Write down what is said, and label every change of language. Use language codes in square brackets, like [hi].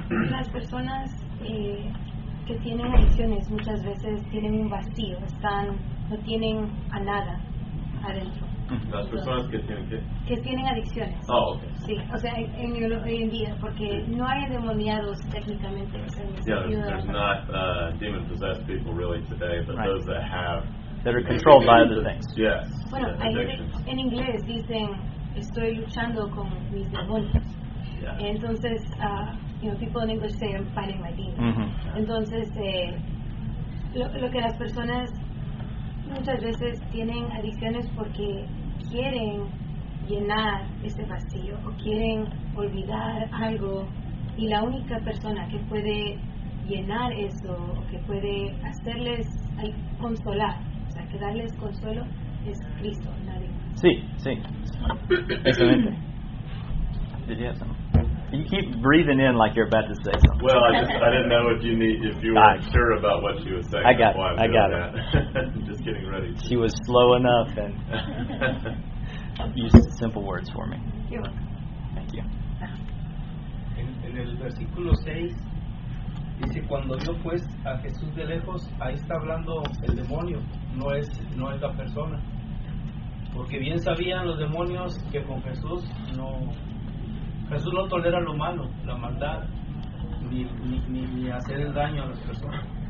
[es] Las personas que tienen adicciones muchas veces tienen un vacío, están, no tienen a nada adentro. Las personas que tienen que tienen adicciones. [en] Oh, okay. [es] Sí, o sea, hoy en día, porque no hay endemoniados técnicamente. [en] There's not demon possessed people really today, but right, those that have, that are controlled by other things. Yes. [es] Bueno, en inglés dicen, estoy luchando con mis demonios. [en] Yeah. [es] Entonces, [en] people in English say, I'm fighting my demons. Mm-hmm. [es] Entonces, lo que las personas muchas veces tienen adicciones porque quieren llenar ese vacío o quieren olvidar algo, y la única persona que puede llenar eso o que puede hacerles consolar, o sea, que darles consuelo, es Cristo, nadie más. Sí, sí, excelente. [en] Did you have some? You keep breathing in like you're about to say something. Well, I didn't know if you were sure about what she was saying. I got it. Just getting ready. She was slow enough and used simple words for me. You're welcome. Thank you. [es] En el versículo 6 dice, cuando vio pues a Jesús de lejos, ahí está hablando el demonio, no es la persona. Porque bien sabían los demonios que con Jesús no... Jesús no tolera lo malo, la maldad, ni hacer el daño a las personas.